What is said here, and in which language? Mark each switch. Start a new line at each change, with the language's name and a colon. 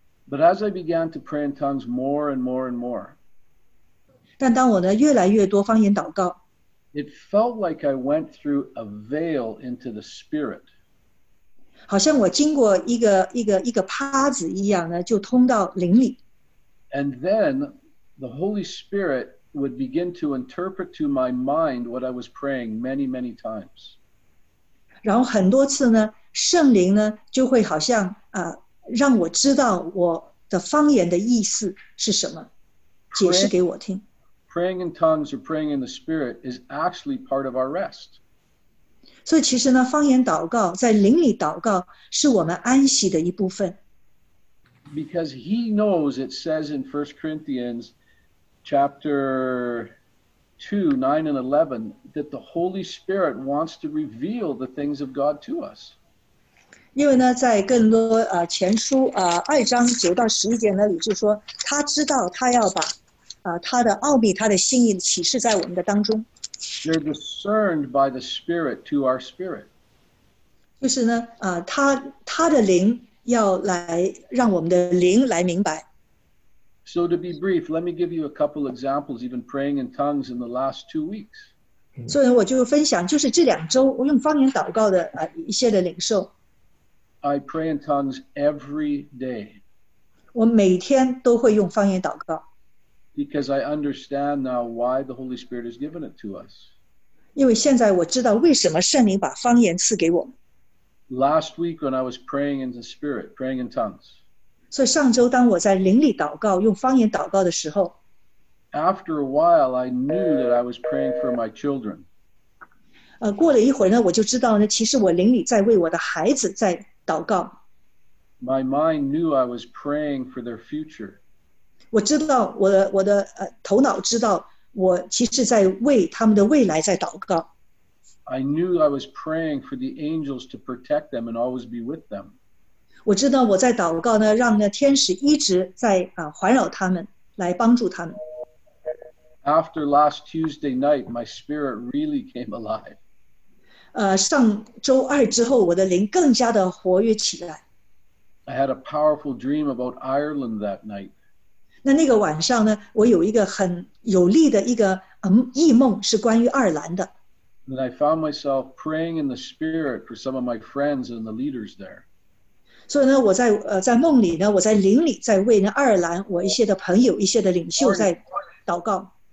English: But as I began to pray in tongues more and more and more,
Chinese: 但当我呢越来越多方言祷告，
English: it felt like I went through a veil into the spirit.
Chinese: 好像我经过一个趴子一样呢，就通到灵里。
English: And then the Holy Spirit would begin to interpret to my mind what I was praying many, many times.
Chinese: 然后很多次呢，圣灵呢就会好像让我知道我的方言的意思是什么，解释给我听。
English: Praying in tongues or praying in the spirit is actually part of our rest.
Chinese: 所以其实呢，方言祷告在灵里祷告是我们安息的一部分。
English: Because he knows it says in 1 Corinthians chapter 2, 9 and 11 that the Holy Spirit wants to reveal the things of God to us.
Chinese: 因为呢，在更多前书二章9-11节那里就说，他知道他要把他的奥秘、他的心意启示在我们的当中。
English: They're discerned by the Spirit to our spirit.
Chinese: 就是呢，他的灵要来让我们的灵来明白。
English: So to be brief, let me give you a couple examples, even praying in tongues in the last 2 weeks.
Chinese: 所以我就分享，就是这两周我用方言祷告的一些的领受。
English: I pray in tongues every day.
Chinese: 我每天都会用方言祷告。
English: Because I understand now why the Holy Spirit has given it to us.
Chinese: 因为现在我知道为什么圣灵把方言赐给我。
English: Last week when I was praying in the Spirit, praying in tongues.
Chinese: 所以上周当我在灵里祷告，用方言祷告的时候。
English: After a while, I knew that I was praying for my children.
Chinese: 过了一会呢，我就知道呢，其实我灵里在为我的孩子在祷告。
English: My mind knew I was praying for their future.
Chinese: 我知道我的头脑知道我其实在为他们的未来在祷告。
English: I knew I was praying for the angels to protect them and always be with them.
Chinese: 我知道我在祷告呢，让那天使一直在环绕他们，来帮助他们。
English: After last Tuesday night, my spirit really came alive.
Chinese: 上周二之后，我的灵更加的活跃起来。
English: I had a powerful dream about Ireland that night.
Chinese: 那个晚上呢，我有一个很有力的一个异梦，是关于爱尔兰的。
English: And I found myself praying in the spirit for some of my friends and the leaders there.
Chinese: 所以呢，我在梦里呢，我在灵里在为那爱尔兰我一些的朋友、一些的领袖在祷告。